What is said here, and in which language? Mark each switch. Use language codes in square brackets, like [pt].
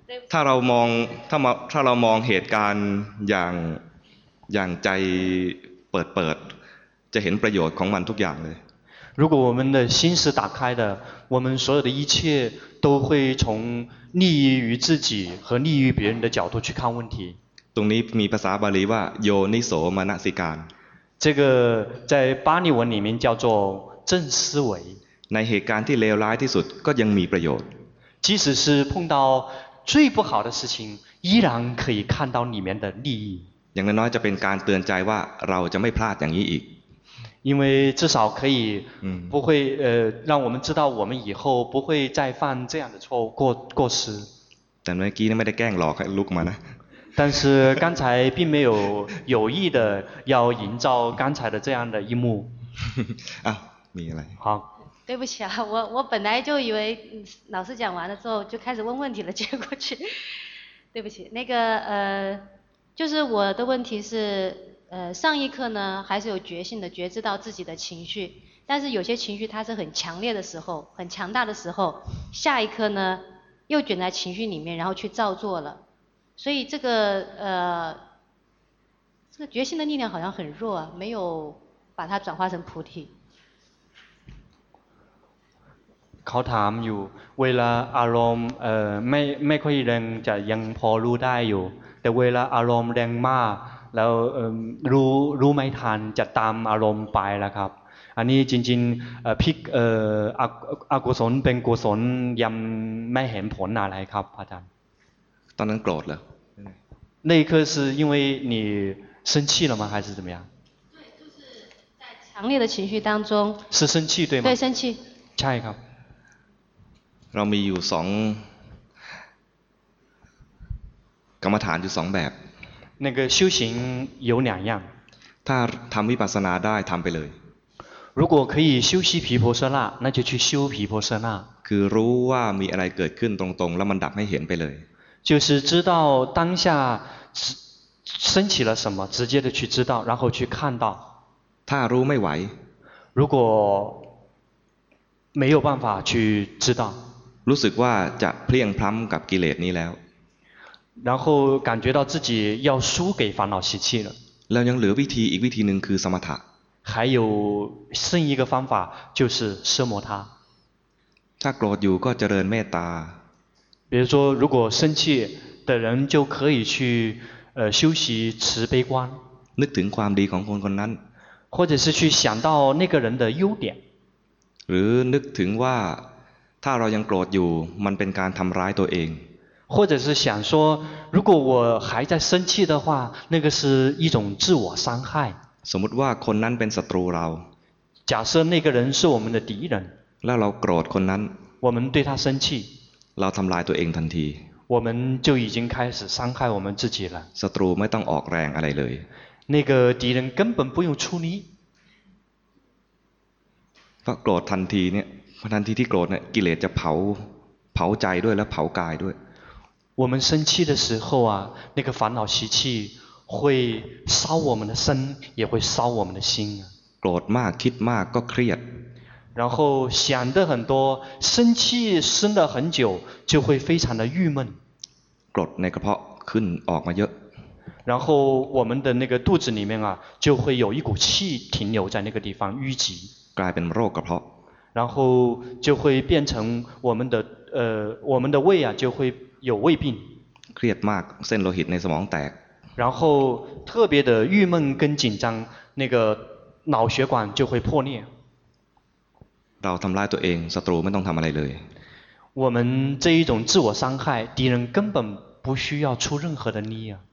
[th] ถ้าเรามองถ้าเรามองเหตุการณ์อย่างใจเปิดจะเห็นประโยชน์ของมันทุกอย่างเลย [zh] 如果我们的心是打开的我们所有的一切都会从利益于自己和利益于别人的角度去看问题 [th] ตรงนี้มีภาษาบาลีว่าโยนิโสมนสิการ [zh] 这个在巴利文里面叫做正思维 [th] ในเหตุการณ์ที่เลวร้ายที่สุดก็ยังมีประโยชน์ [zh] 即使是碰到最不好的事情依然可以看到里面的利益 [th] อย่างน้อยจะเป็นการเตือนใจว่าเราจะไม่พลาดอย่างนี้อีก [zh] 因为至少可以不会让我们知道我们以后不会再犯这样的错误过失。 [th] แต่เมื่อกี้ไม่ได้แกล้งหลอกให้ลุกมานะ [zh] 但是刚才并没有有意的要营造刚才的这样的一幕。啊，没来。好，对不起啊，我本来就以为老师讲完了之后就开始问问题了，结果去，对不起，那个就是我的问题是，上一课呢还是有觉性的觉知到自己的情绪，但是有些情绪它是很强烈的时候，很强大的时候，下一课呢又卷在情绪里面，然后去照做了。所以这个觉性的力量好像很弱啊，没有把它转化成菩提。 [th] เขาถามอยู่เวลาอารมณ์ไม่ค่อยแรงจะยังพอรู้ได้อยู่แต่เวลาอารมณ์แรงมากแล้วรู้ไม่ทันจะตามอารมณ์ไปละครับอันนี้จริงๆพลิกอกุศลเป็นกุศลยังไม่เห็นผลอะไรครับอาจารย์ ตอนนั้นโกรธเหร [zh] อ那一刻是因为你生气了吗还是怎么样对就是在强烈的情绪当中是生气对吗对生气 [th] ใช่ครับ เรามีอยู่สองกรรมฐานอยู่สองแบบ [zh] 那个修行有两样 [th] ถ้าทำวิปัสสนาได้ทำไปเลย [zh] 如果可以修习毗婆舍那那就去修毗婆舍那 [th] คือรู้ว่ามีอะไรเกิดขึ้นตรงๆแล้วมันดับให้เห็นไปเลย [zh] 就是知道当下升起了什么，直接的去知道，然后去看到。 [th] ถ้ารู้ไม่ไหว， [zh] 如果没有办法去知道， [th] รู้สึกว่าจะเพลียงพล้ำกับกิเลสนี้แล้ว， [zh] 然后感觉到自己要输给烦恼习气了。 [th] แล้วยังเหลือวิธีอีกวิธีหนึ่งคือสมถะ， [zh] 还有剩一个方法就是奢摩他。 [th] ถ้าโกรธอยู่ก็เจริญเมตตา。 [zh] 比如说如果生气的人就可以去修习慈悲观 [th] นึกถึงความดีของคนคนนั้น [zh] 或者是去想到那个人的优点 [th] หรือนึกถึงว่าถ้าเรายังโกรธอยู่มันเป็นการทำร้ายตัวเอง [zh] 或者是想说如果我还在生气的话那个是一种自我伤害 [th] สมมติว่าคนนั้นเป็นศัตรูเรา [zh] 假设那个人是我们的敌人 [th] แล้วเราโกรธคนนั้น [zh] 我们对他生气 [th] เราทำลายตัวเองทันที [zh] 我们就已经开始伤害我们自己了 [th] ศัตรูไม่ต้องออกแรงอะไรเลย [zh] 那个敌人根本不用出力 [th] ถ้าโกรธทันทีเนี่ยทันทีที่โกรธเนี่ยกิเลสจะเผาใจด้วยและเผากายด้วย [zh] 我们生气的时候啊那个烦恼习气会烧我们的身也会烧我们的心 [th] โกรธมากคิดมากก็เครียด [zh] 然后想的很多生气生了很久就会非常的郁闷 [th] กรดในกระเพาะขึ้นออกมาเยอะ [zh] 然后我们的那个肚子里面啊就会有一股气停留在那个地方淤积 [th] กลายเป็นโรคกระเพาะ [zh] 然后就会变成我们的胃啊就会有胃病 [th] เครียดมากเส้นโลหิตในสมองแตก [zh] 然后特别的郁闷跟紧张那个脑血管就会破裂 [th] เราทำลายตัวเองศัตรูไม่ต้องทำอะไรเลย [zh] 我们这一种自我伤害敌人根本不需要出任何的力啊